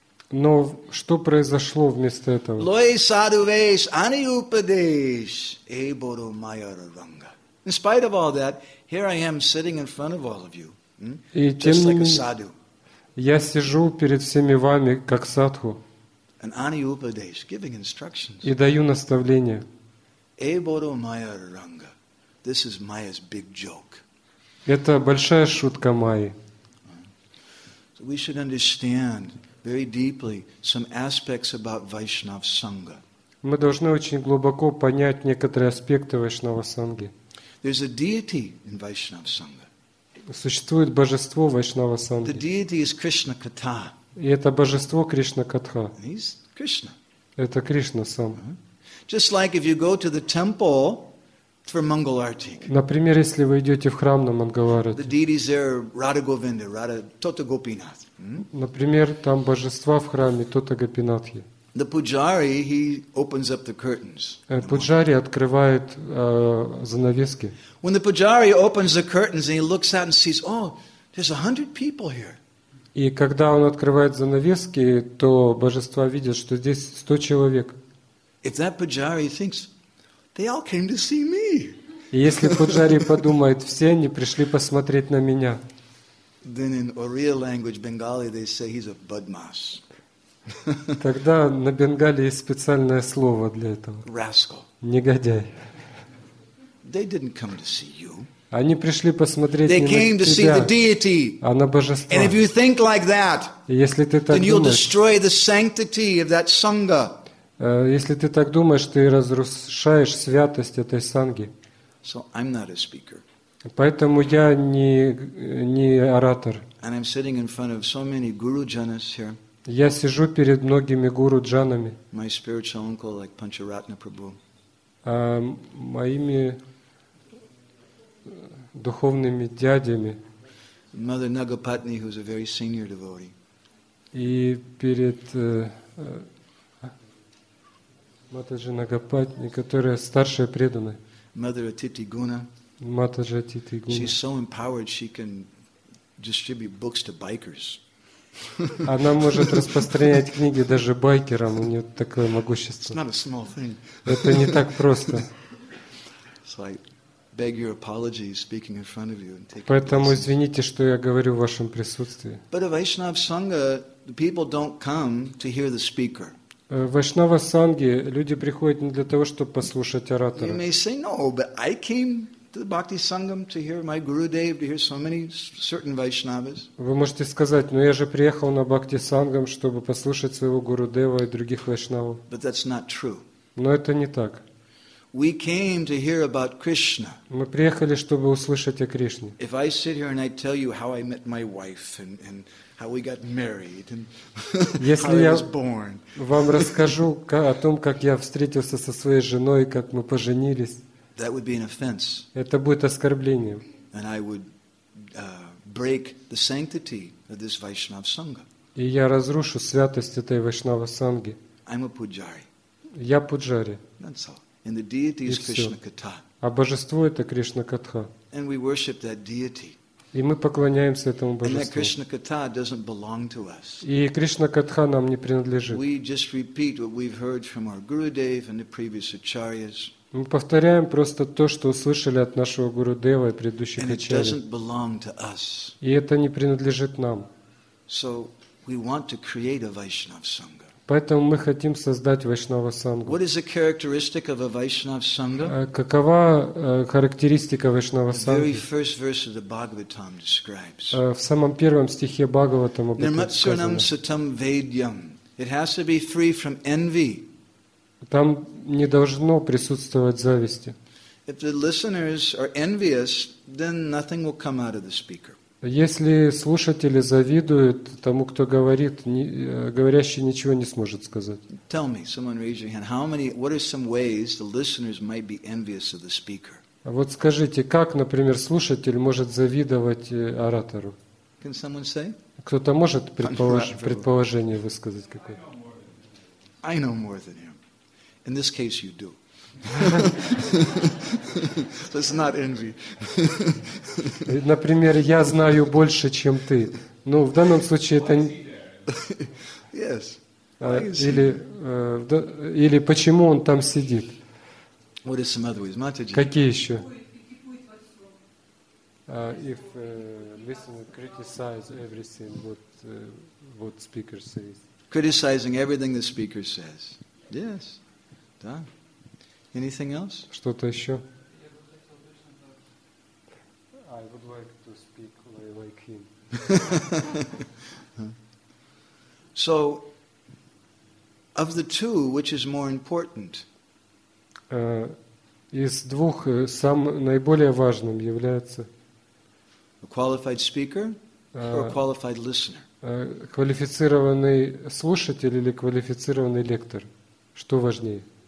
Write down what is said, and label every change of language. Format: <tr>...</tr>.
<ru>Но что произошло вместо этого?</ru> <bn>Лои садувеш ани упадеш эйбору майараранга.</bn> <en>In spite of all that, here I am sitting in front of all of you, just like a sadhu.</en> <ru>Я сижу перед всеми вами как садху.</ru> <en>And</en> <bn>ани упадеш,</bn> <en>giving instructions.</en> <ru>И даю наставления.</ru> <bn>Эйбору майараранга.</bn> <en>This is Maya's big joke.</en> <ru>Это большая шутка Майи.</ru> <en>We should understand very deeply some aspects about Vaishnava Sangha.</en> <ru>Мы должны очень глубоко понять некоторые аспекты Вайшнава Санги.</ru> <en>There's a deity in Vaishnava Sangha.</en> <ru>Существует божество Вайшнава Санги.</ru> <en>The deity is Krishna Katha.</en> <ru>И это божество Кришна Катха.</ru> <en>He's Krishna.</en> <ru>Это Кришна сам.</ru> <en>Just like if you go to the temple for Mangal Arati.</en> <ru>Например, если вы идете в храм на Мангаларати.</ru> <en>The deities there, Radha Govinda, Radha Tota Gopinath.</en> <ru>Например, там божества в храме Тота Гопинатхи.</ru> <en>The pujari, he opens up the curtains.</en> <ru>Пуджари открывает занавески.</ru> <en>When the pujari opens the curtains and he looks out and sees, oh, there's 100 people here.</en> <ru>И когда он открывает занавески, то божества видят, что здесь 100 человек.</ru> <en>If that pujari thinks, they all came to see me.</en> <ru>Если пуджари подумает, все они пришли посмотреть на меня.</ru> <en>Then in Oriya language, Bengali, they say he's a badmash.</en> <ru>Тогда на Бенгали есть специальное слово для этого.</ru> <en>Rascal.</en> <ru>Негодяй.</ru> <en>They didn't come to see you.</en> <ru>Они пришли посмотреть</ru> <en>they</en> <ru>не</ru> <en>came</en> <ru>на тебя,</ru> <en>to see the deity.</en> <ru>А на божество.</ru> <en>And if you think like that,</en> <ru>если ты так</ru> <en>then</en> <ru>думаешь,</ru> <en>you'll destroy the sanctity of that sangha.</en> <ru>Если ты так думаешь, ты разрушаешь святость этой санги.</ru> <en>So I'm not a speaker.</en> <ru>Поэтому я не оратор.</ru> <en>And I'm sitting in front of so many guru janas here.</en> <ru>Я сижу перед многими гуру джанами.</ru> <en>My spiritual uncle, like Pancharatna Prabhu.</en> <ru>Моими духовными дядями.</ru> <en>Mother Nagapatni, who's a very senior devotee.</en> <ru>И перед Матаджи Нагапатни, которая старшая преданная.</ru> <en>Mother Atiti Guna.</en> <ru>Матаджи Атити Гуна.</ru> <en>She's so empowered, she can distribute books to bikers.</en> <ru>Она может распространять книги даже байкерам, у нее такое могущество.</ru> <en>It's not a small thing.</en> <ru>Это не так просто.</ru> <en>So I beg your apology, speaking in front of you and taking.</en> <ru>Поэтому извините, что я говорю в вашем присутствии.</ru> <en>But a Vaishnava Sangha, the people don't come to hear the speaker.</en> <ru>В Вайшнава Санге люди приходят не для того, чтобы послушать оратора.</ru> <en>You may say, no, but I came to the Bhakti Sangam to hear my Guru Dev, to hear so many certain Vaishnavas.</en> <ru>Вы можете сказать, но я же приехал на Бхакти Сангам, чтобы послушать своего Гуру Дева и других Вайшнавов.</ru> <en>But that's not true.</en> <ru>Но это не так.</ru> <en>We came to hear about Krishna.</en> <ru>Мы приехали, чтобы услышать о Кришне.</ru> <en>If I sit here and I tell you how I met my wife and how we got married and how I was born.</en> <ru>Если я вам расскажу о том, как я встретился со своей женой, как мы поженились.</ru> <en>That would be an offense.</en> <ru>Это будет оскорблением.</ru> <en>And I would break the sanctity of this Vaishnava Sangha.</en> <ru>И я разрушу святость этой Вайшнава Сангхи.</ru> <en>I'm a pujari.</en> <ru>Я пуджари.</ru> <en>That's all. And the deity is Krishna Katha.</en> <ru>А божество это Кришна Катха.</ru> <en>And we worship that deity.</en> <ru>И мы поклоняемся этому божеству.</ru> <en>And that Krishna Katha doesn't belong to us.</en> <ru>И Кришна Катха нам не принадлежит.</ru> <en>We just repeat what we've heard from our Gurudev and the previous acharyas.</en> <ru>Мы повторяем просто то, что услышали от нашего Гурудева и предыдущих</ru> <en>acharyas. And it doesn't belong to us.</en> <ru>И это не принадлежит нам.</ru> <en>So we want to create a Vaishnava Sangha.</en> <ru>Поэтому мы хотим создать Вайшнава Сангу.</ru> <en>What is the characteristic of a Vaishnava Sangha?</en> <ru>Какова характеристика Вайшнава Сангхи?</ru> <en>The very first verse of the Bhagavatam describes.</en> <ru>В самом первом стихе Бхагаватам об этом сказано.</ru> <sa>Nirmatsuranam satam vedyam.</sa> <en>It has to be free from envy.</en> <ru>Там не должно присутствовать зависти.</ru> <en>If the listeners are envious, then nothing will come out of the speaker.</en> <ru>Если слушатели завидуют тому, кто говорит, говорящий ничего не сможет сказать.</ru> <en>Tell me, someone raise your hand. How many? What are some ways the listeners might be envious of the speaker?</en> <ru>Вот скажите, как, например, слушатель может завидовать оратору?</ru> <en>Can someone say?</en> <ru>Кто-то может предположение высказать какое-то?</ru> <en>I know more than him. In this case, you do. That's not envy.</en> <ru>Например, я знаю больше, чем ты. Ну, в данном случае это.</ru> <en>Yes.</en> <ru>Или почему он там сидит?</ru> <en>What is some other ways, Матаджи?</en> <ru>Какие еще?</ru> <en>If listener criticize everything what speaker says. Criticizing everything the speaker says. Yes.</en> <ru>Да.</ru> <en>Anything else?</en> <ru>Что-то еще?</ru> <en>I would like to speak like him. So, of the two, which is more important?</en> <ru>Из двух самым наиболее важным является</ru> <en>a qualified speaker or a qualified listener?</en> <ru>Квалифицированный слушатель или квалифицированный лектор? Что важнее?</ru>